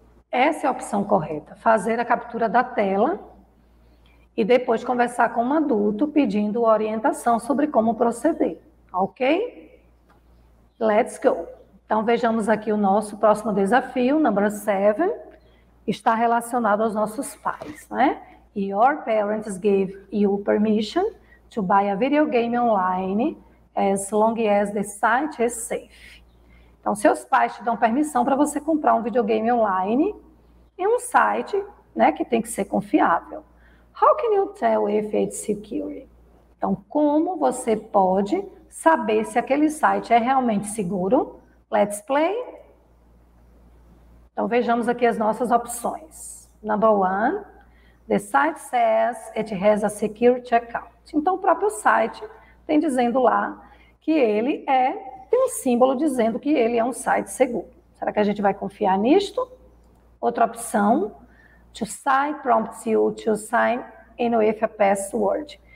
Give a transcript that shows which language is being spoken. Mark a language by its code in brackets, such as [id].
[pt] Essa é a opção correta, fazer a captura da tela e depois conversar com um adulto pedindo orientação sobre como proceder, ok? [en] Let's go. [pt] Então vejamos aqui o nosso próximo desafio, number 7. Está relacionado aos nossos pais, né? [en] Your parents gave you permission to buy a video game online as long as the site is safe. [pt] Então, seus pais te dão permissão para você comprar um videogame online em um site, né, que tem que ser confiável. [en] How can you tell if it's secure? [pt] Então, como você pode saber se aquele site é realmente seguro? [en] Let's play. [pt] Então, vejamos aqui as nossas opções. [en] Number one, the site says it has a secure checkout. [pt] Então, o próprio site tem dizendo lá que ele é, tem um símbolo dizendo que ele é um site seguro. Será que a gente vai confiar nisto? Outra opção, [en] to sign prompts you to sign in with a password.